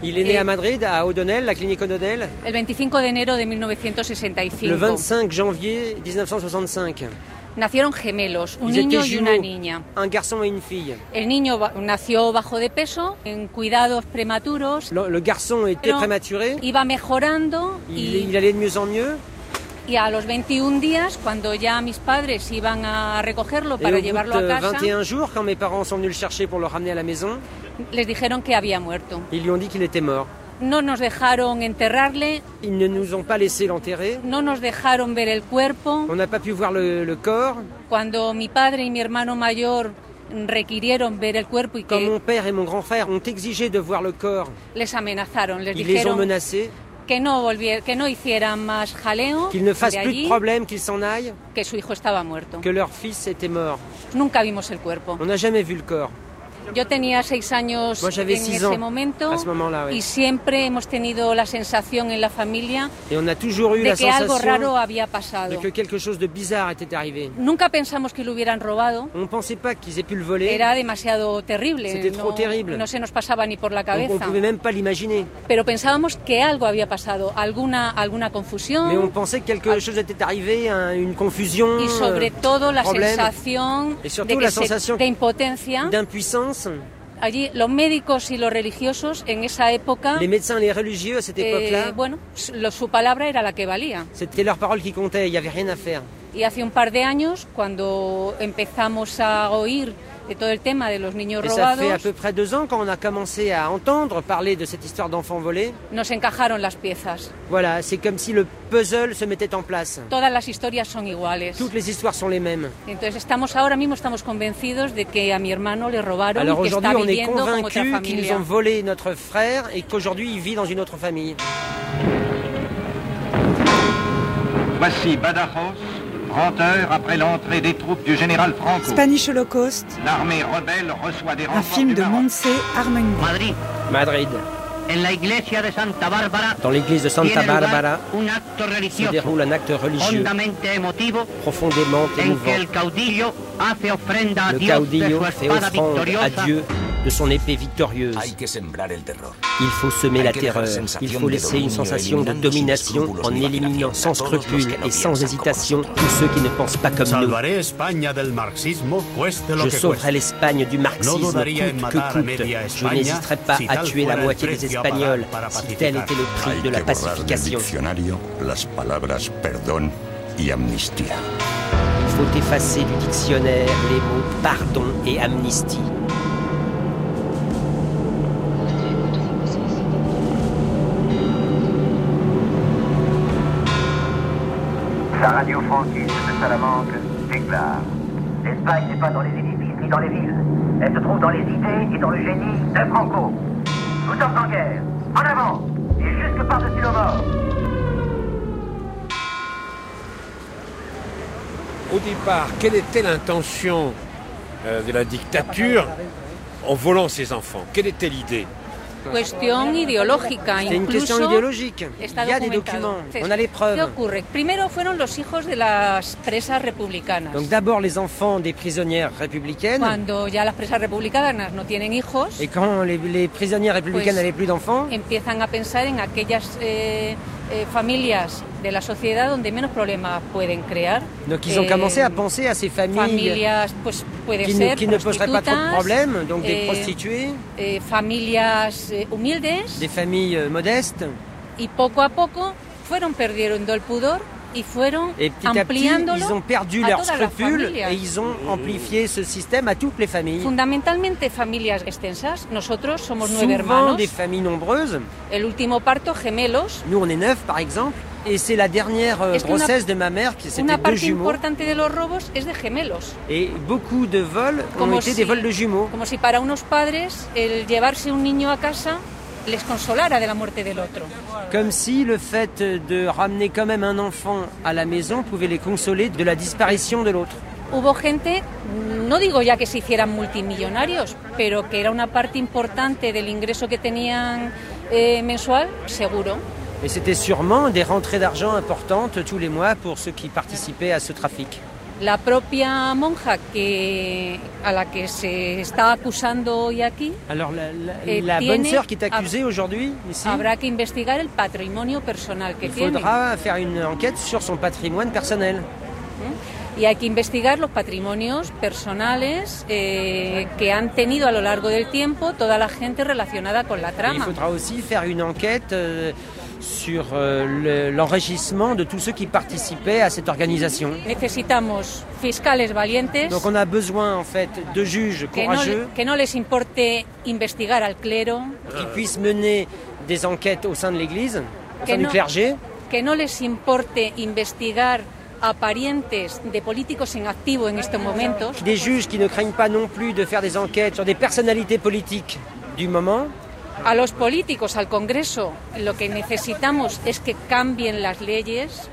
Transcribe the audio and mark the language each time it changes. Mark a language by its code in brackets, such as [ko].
[fr] Il est né à Madrid, à O'Donnell, la clinique O'Donnell. [es] El 25 de enero de 1965. [fr] Le 25 janvier 1965. [es] Nacieron gemelos, un niño y una niña. [fr] Un garçon et une fille. [es] El niño nació bajo de peso, en cuidados prematuros. [fr] Le garçon était prématuré. [es] Iba mejorando. [fr] Il allait de mieux en mieux. [es] Y a los 21 días, cuando ya mis padres iban a recogerlo [fr] et [es] para llevarlo a casa. [fr] 21 jours, quand mes parents sont venus le chercher pour le ramener à la maison. [es] Les dijeron que había muerto. [fr] Ils lui ont dit qu'il était mort. [es] No nos dejaron enterrarle. [fr] Ils ne nous ont pas laissé l'enterrer. [es] No nos dejaron ver el cuerpo. [fr] On n'a pas pu voir le corps. [es] Cuando mi padre y mi hermano mayor requirieron ver el cuerpo y [fr] quand mon père et mon grand frère ont exigé de voir le corps. [es] Les amenazaron, les [fr] ils [es] dijeron. [fr] Les ont menacés. [es] Que no hicieran más jaleo. [fr] Qu'ils ne fassent plus de problème, qu'ils s'en aillent. [es] Que su hijo estaba muerto. [fr] Que leur fils était mort. [es] Nunca vimos el cuerpo. [fr] On n'a jamais vu le corps. [es] Yo tenía 6 años [fr] Moi, [es] en ese [fr] ans, [es] momento [fr] à ce moment-là, oui. [es] Y siempre hemos tenido la sensación en la familia [fr] et on a toujours eu [es] de [fr] la [es] que [fr] sensation [es] algo raro había pasado. [fr] De que quelque chose de bizarre était arrivé. [es] Nunca pensamos que lo hubieran robado. [fr] On pensait pas qu'ils aient pu le voler. [es] Era demasiado terrible. [fr] C'était trop terrible. [es] No se nos pasaba ni por la cabeza. [fr] On pouvait même pas l'imaginer. [es] Pero pensábamos que algo había pasado, alguna confusión. [fr] Mais on pensait que quelque chose était arrivé, une confusion. [es] Y sobre todo [fr] un problème, [es] la sensación [fr] et surtout la sensation d'impotencia. D'impuissance. [es] allí los médicos y los religiosos en esa época. [fr] Les médecins, les religieux à cette époque-là. [es] Bueno, su palabra era la que valía. [fr] C'était leur parole qui comptait, il y avait rien à faire. [es] Y hace un par de años, cuando empezamos a oír de todo el tema de los niños robados. [fr] Ça fait à peu près deux ans quand on a commencé à entendre parler de cette histoire d'enfants volés. [es] Nos encajaron las piezas. [fr] Voilà, c'est comme si le puzzle se mettait en place. [es] Todas las historias son iguales. [fr] Toutes les histoires sont les mêmes. [es] Entonces estamos ahora mismo estamos convencidos de que a mi hermano le robaron. [fr] Alors [es] y [fr] aujourd'hui [es] que está [fr] on est convaincus qu'ils nous ont volé notre frère et qu'aujourd'hui il vit dans une autre famille. Voici Badajoz. Heures après l'entrée des troupes du général Franco. Spanish Holocaust. L'armée rebelle reçoit des renforts. Un film de Montse Armengol. Madrid. Madrid. [es] En la iglesia de Santa Bárbara. [fr] Dans l'église de Santa Bárbara. [es] Un acto religioso. [fr] Se déroule un acte religieux. [es] Hondamente emotivo. [fr] Profondément émouvant. [es] En que el caudillo hace ofrenda a [fr] Dios. Le caudillo fait offrande à Dieu de son épée victorieuse. [es] Hay que sembrar el terror. [fr] Il faut semer la terreur. Il faut laisser une sensation de domination en éliminant sans scrupule et sans hésitation tous ceux qui ne pensent pas comme nous. Je sauverai l'Espagne du marxisme coûte que coûte. Je n'hésiterai pas à tuer la moitié des Espagnols si tel était le prix de la pacification. [es] Las palabras perdón y amnistía. [fr] Il faut effacer du dictionnaire les mots pardon et amnistie. La radio franquiste de Salamanque déclare « L'Espagne n'est pas dans les édifices ni dans les villes. Elle se trouve dans les idées et dans le génie de Franco. Nous sommes en guerre, en avant et jusque par-dessus le bord. » Au départ, quelle était l'intention de la dictature en volant ses enfants? Quelle était l'idée? [es] Cuestión ideológica, [fr] c'est une question idéologique. Il y a des documents, on a les preuves. [es] ¿Qué primero fueron los hijos de las presas republicanas. [fr] Donc d'abord les enfants des prisonnières républicaines. [es] Cuando ya las presas republicanas no tienen hijos. [fr] Et quand les prisonnières républicaines n'avaient plus d'enfants. [es] Empiezan a pensar en aquellas familias de la sociedad donde menos problemas pueden crear. [fr] Donc ils ont commencé à penser à ces familles [es] pues, [fr] qui ne poseraient pas trop de problèmes, donc des prostituées, [es] familias humildes, [fr] des familles modestes. [es] Y poco a poco fueron perdiendo el pudor y fueron ampliándolo. [fr] Ils ont perdu leurs scrupules et ils ont amplifié ce système à toutes les familles. [es] Fundamentalmente familias extensas. Nosotros somos [fr] souvent [es] 9 hermanos. [fr] Des familles nombreuses. [es] El último parto gemelos. [fr] Nous on est 9 par exemple. Et c'est la dernière grossesse de ma mère qui c'était deux jumeaux. [es] Una parte importante de los robos es de gemelos. [fr] Et beaucoup de vols ont été des vols de jumeaux. [es] Como si para unos padres el llevarse un niño a casa les consolara de la muerte del otro. [fr] Comme si le fait de ramener quand même un enfant à la maison pouvait les consoler de la disparition de l'autre. [es] Hubo gente, no digo ya que se hicieran multimillonarios, pero que era una parte importante del ingreso que tenían mensual, seguro. [fr] Et c'était sûrement des rentrées d'argent importantes tous les mois pour ceux qui participaient à ce trafic. [es] La propia monja que a la que se está acusando hoy aquí. [fr] Alors la bonne sœur qui est accusée aujourd'hui ici. [es] Habrá que investigar el patrimonio personal que tiene. [fr] Il faudra faire une enquête sur son patrimoine personnel. [es] Y hay que investigar los patrimonios personales que han tenido a lo largo del tiempo toda la gente relacionada con la trama. [fr] Il faudra aussi faire une enquête sur l'enregistrement de tous ceux qui participaient à cette organisation. [es] Necesitamos fiscales valientes. [fr] Donc on a besoin en fait de juges courageux. [es] Que no les importe investigar al clero. [fr] Qui puissent mener des enquêtes au sein de l'Église, au sein du clergé. [es] Que no les importe investigar a parientes de políticos en activo en estos momentos. [fr] Des juges qui ne craignent pas non plus de faire des enquêtes sur des personnalités politiques du moment. [es] A los políticos, al Congreso, lo que necesitamos es que cambien las leyes.